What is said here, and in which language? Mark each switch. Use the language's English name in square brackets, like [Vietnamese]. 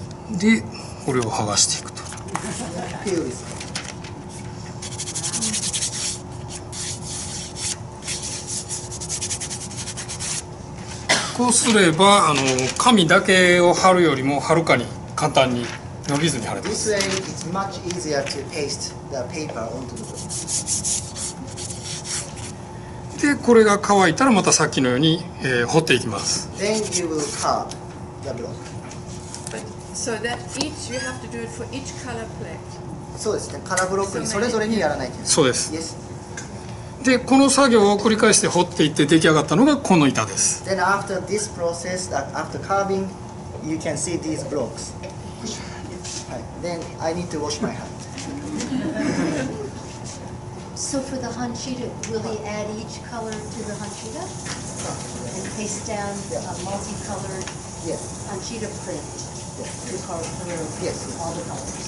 [Japanese] で、これを剥がしていくと。こうすれば、あの紙だけを貼るよりもはるかに簡単に伸びずに貼れます。 [English] This way it's much easier to paste the paper onto the book. [Japanese] で、これが乾いたらまたさっきのように、彫っていきます。 [English] Then you will carve the block. So that each, you have to do it for each color plate. [Japanese] そうですね、カラーブロックにそれぞれにやらないといけない。そうです。 [English] Yes. [Japanese] で、この作業を繰り返して彫っていって出来上がったのがこの板です。 [English] Then after this process, after carving, you can see these blocks. Then I need to wash my hand. So for the Hanshida, will he add each color to the Hanshida? And paste down a multi-colored Hanshida print to carve through all the colors?